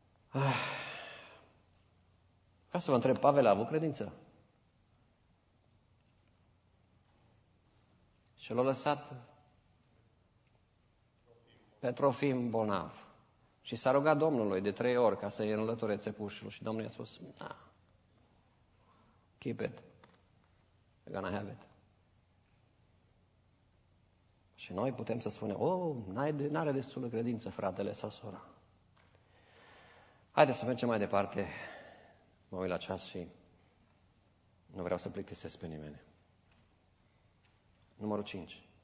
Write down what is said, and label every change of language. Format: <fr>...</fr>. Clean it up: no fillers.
<ro>Vreau să vă întreb, Pavel a avut credință? Și l-a lăsat pe Trofim bolnav. Și s-a rugat Domnului de 3 ori ca să-i înlăture țepușul. Și Domnul i-a spus, da,</ro> <en>keep it, you're gonna have it.</en> <ro>Și noi putem să spunem, n-are destulă credință fratele sau sora. Haideți să mergem mai departe. Mă uit la ceas și Nu vreau să plictisesc pe nimeni. Numărul 5.</ro>